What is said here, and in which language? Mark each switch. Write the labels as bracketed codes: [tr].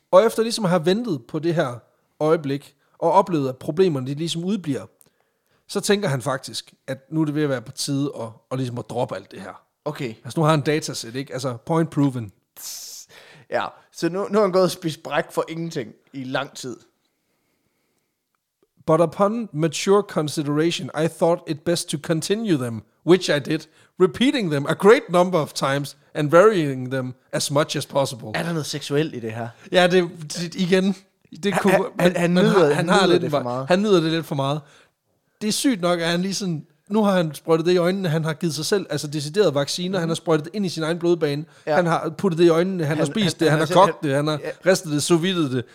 [da] Og efter ligesom at have ventet på det her øjeblik, og oplevet, at problemerne ligesom udbliver, så tænker han faktisk, at nu er det ved at være på tide at ligesom at droppe alt det her. Okay. Altså nu har han dataset, ikke? Altså [en] point proven. [da] Ja, så nu har han gået og spist bræk for ingenting i lang tid. [en] But upon mature consideration, I thought it best to continue them, which I did, repeating them a great number of times and varying them as much as possible. [da] Er der noget seksuelt i det her? Ja, det igen. Han nyder det lidt for meget. Det er sygt nok, at han lige sådan, nu har han sprøjtet det i øjnene, han har givet sig selv, altså decideret vacciner, mm-hmm. Han har sprøjtet det ind i sin egen blodbane, ja. Han har puttet det i øjnene, han har spist det, han har kogt det, han har ristet det, sovittet det.